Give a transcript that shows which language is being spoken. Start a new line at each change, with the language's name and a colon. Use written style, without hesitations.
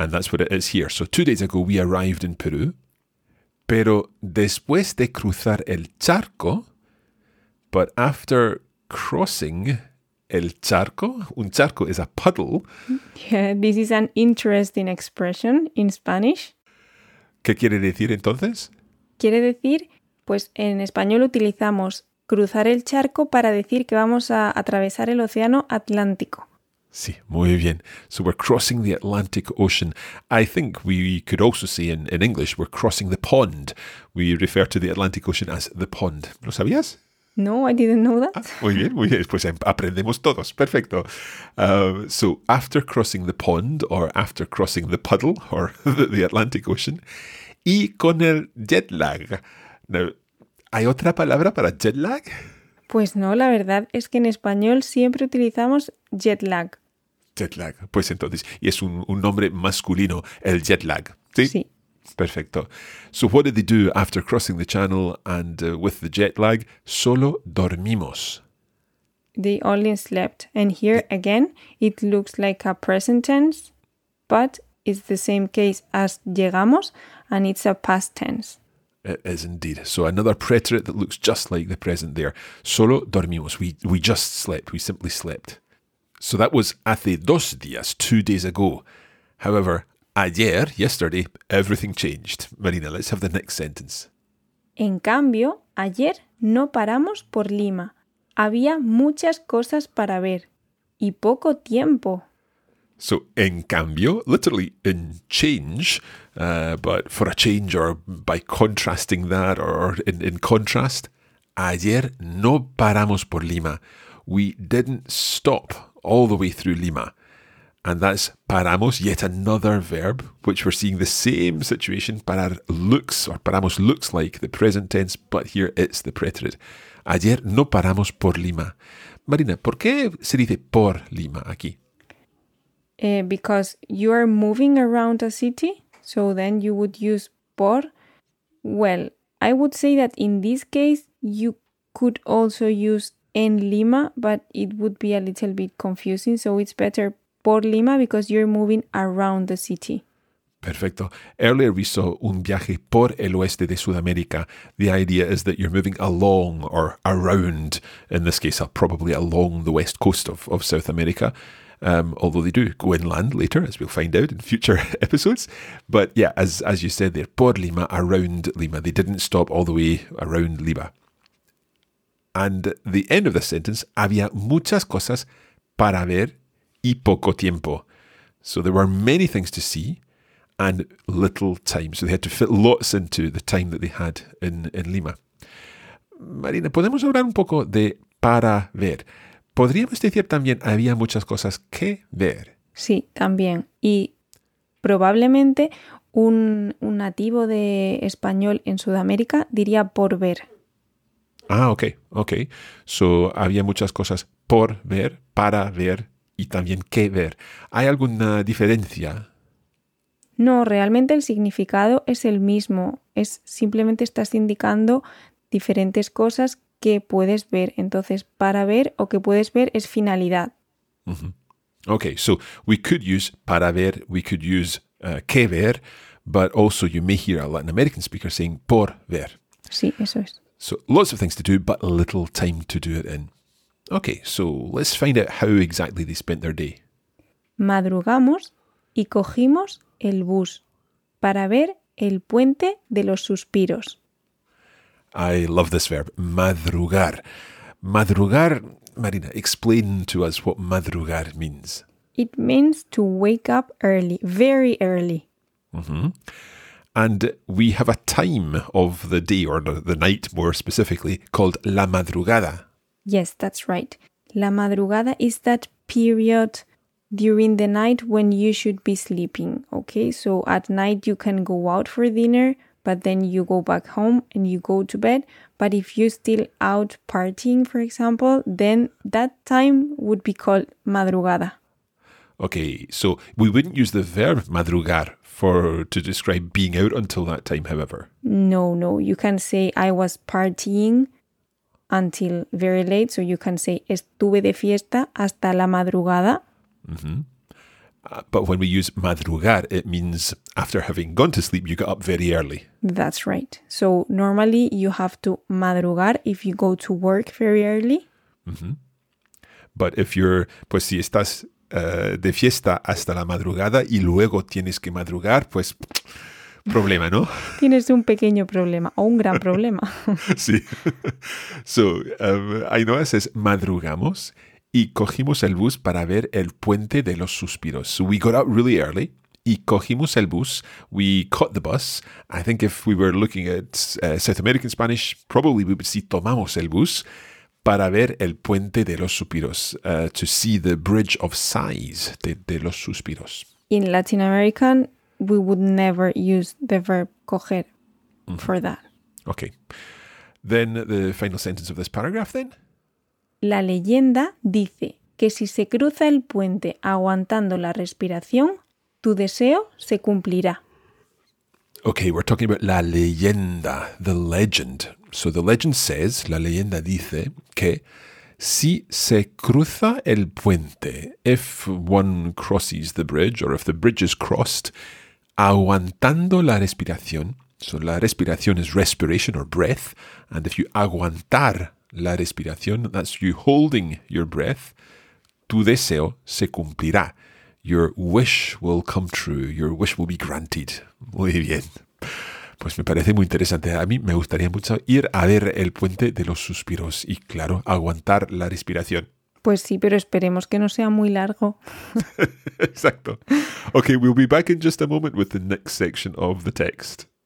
English: And that's what it is here. So 2 days ago, we arrived in Peru.
Spanish: Pero después de cruzar el charco,
English: but after crossing
Spanish: el charco, un charco
English: is a puddle. Yeah, this is an interesting expression in Spanish.
Spanish: ¿Qué quiere decir entonces? Quiere decir, pues en español utilizamos cruzar el charco para decir que vamos a atravesar el océano Atlántico. Sí, muy bien.
English: So we're crossing the Atlantic Ocean. I think we could also say in English, we're crossing the pond. We refer to the Atlantic Ocean as the pond.
Spanish: ¿Lo sabías?
English: No, I didn't know that.
Spanish: Ah, muy bien, muy bien. Pues aprendemos todos. Perfecto.
English: So after crossing the pond or after crossing the puddle or the Atlantic Ocean,
Spanish: y con el jet lag. Now, ¿hay otra palabra para jet lag? Pues no, la verdad es que en español siempre utilizamos jet lag. Jet lag, pues entonces, y es un nombre masculino, el jet lag, ¿sí? Sí. Perfecto.
English: So what did they do after crossing the channel and with the jet lag?
Spanish: Solo dormimos.
English: They only slept. And here again, it looks like a present tense, but it's the same case as llegamos and it's a past tense. It is indeed. So another preterite that looks just like the present there.
Spanish: Solo dormimos.
English: We just slept. We simply slept. So that was
Spanish: hace dos días,
English: 2 days ago. However, ayer, yesterday, everything changed. Marina, let's have the next sentence.
Spanish: En cambio, ayer no paramos por Lima. Había muchas cosas para ver y poco tiempo.
English: So, en cambio, literally in change, but for a change or by contrasting that or in contrast,
Spanish: ayer no paramos por Lima.
English: We didn't stop all the way through Lima. And that's paramos, yet another verb, which we're seeing the same situation, parar looks or paramos looks like the present tense, but here it's the preterite.
Spanish: Ayer no paramos por Lima. Marina, ¿por qué se dice por Lima aquí?
English: Because you are moving around a city, so then you would use por. Well, I would say that in this case, you could also use en Lima, but it would be a little bit confusing. So it's better por Lima because you're moving around the city. Perfecto. Earlier we saw
Spanish: un viaje por el oeste de Sudamérica.
English: The idea is that you're moving along or around, in this case, probably along the west coast of South America. Although they do go inland later, as we'll find out in future episodes. But yeah, as you said there, por Lima, around Lima. They didn't stop all the way around Lima. And the end of the sentence,
Spanish: había muchas cosas para ver y poco tiempo.
English: So there were many things to see and little time. So they had to fit lots into the time that they had in Lima.
Spanish: Marina, ¿podemos hablar un poco de para ver? ¿Podríamos decir también había muchas cosas que ver? Sí, también. Y probablemente un nativo de español en Sudamérica diría por ver.
English: Ah, ok.
Spanish: So, había muchas cosas por ver, para ver y también que ver. ¿Hay alguna diferencia? No, realmente el significado es el mismo. Es simplemente estás indicando diferentes cosas que puedes ver. Entonces, para ver o que puedes ver es finalidad. Mm-hmm.
English: Ok, so we could use para ver, we could use que ver, but also you may hear a Latin American speaker saying por ver.
Spanish: Sí, eso es.
English: So lots of things to do, but little time to do it in. Ok, so let's find out how exactly they spent their day.
Spanish: Madrugamos y cogimos el bus para ver el puente de los suspiros.
English: I love this verb, madrugar. Madrugar, Marina, explain to us what madrugar means. It means to wake up early, very early. Mm-hmm. And we have a time of the day, or the night more specifically, called la madrugada. Yes, that's right. La madrugada is that period during the night when you should be sleeping, okay? So at night you can go out for dinner, but then you go back home and you go to bed. But if you're still out partying, for example, then that time would be called madrugada. Okay, so we wouldn't use the verb madrugar to describe being out until that time, however. No. You can say I was partying until very late. So you can say
Spanish: estuve de fiesta hasta la madrugada. Mm-hmm.
English: But when we use madrugar, it means after having gone to sleep, you got up very early. That's right. So normally you have to madrugar if you go to work very early. Mm-hmm. But if you're,
Spanish: pues si estás de fiesta hasta la madrugada y luego tienes que madrugar, pues problema, ¿no? Tienes un pequeño problema o un gran problema. Sí.
English: So, Ainhoa says,
Spanish: madrugamos y cogimos el bus para ver el puente de los suspiros.
English: So we got up really early
Spanish: y cogimos el bus.
English: We caught the bus. I think if we were looking at South American Spanish, probably we would see
Spanish: tomamos el bus para ver el puente de los suspiros.
English: To see the bridge of sighs de los suspiros. In Latin American, we would never use the verb coger for that. Okay. Then the final sentence of this paragraph then.
Spanish: La leyenda dice que si se cruza el puente aguantando la respiración, tu deseo se cumplirá.
English: Okay, we're talking about la leyenda, the legend. So the legend says,
Spanish: la leyenda dice que si se cruza el puente,
English: if one crosses the bridge or if the bridge is crossed,
Spanish: aguantando la respiración,
English: so la respiración is respiration or breath, and if you aguantar la respiración, that's you holding your breath,
Spanish: tu deseo se cumplirá.
English: Your wish will come true. Your wish will be granted.
Spanish: Muy bien. Pues me parece muy interesante. A mí me gustaría mucho ir a ver el puente de los suspiros y, claro, aguantar la respiración. Pues sí, pero esperemos que no sea muy largo. Exacto.
English: Okay, we'll be back in just a moment with the next section of the text.